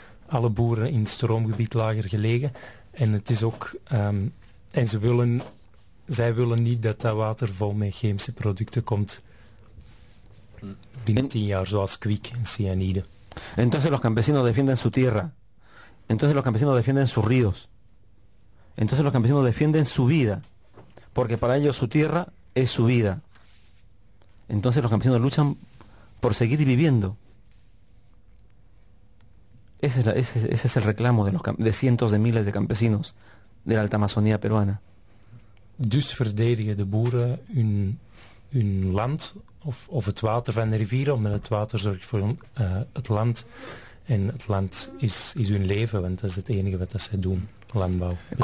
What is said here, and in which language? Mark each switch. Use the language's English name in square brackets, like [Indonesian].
[Dutch] Alle boeren in het stroomgebied lager gelegen. En het is ook, en zij willen niet dat dat water vol met chemische producten komt. Binnen 10 jaar, zoals kwik en cyanide. [Spanish] Entonces los campesinos defienden su tierra. Entonces los campesinos defienden sus ríos. Entonces los campesinos defienden su vida. Porque para ellos su tierra es su vida. Entonces los campesinos luchan por seguir viviendo. Ese es el reclamo de los de cientos de miles de campesinos de la alta Amazonía peruana. [Dutch] Dus verdedigen de boeren hun land of het water van de rivieren, omdat het water zorgt voor het land. En het land is hun leven, want dat is het enige wat dat ze doen, landbouw.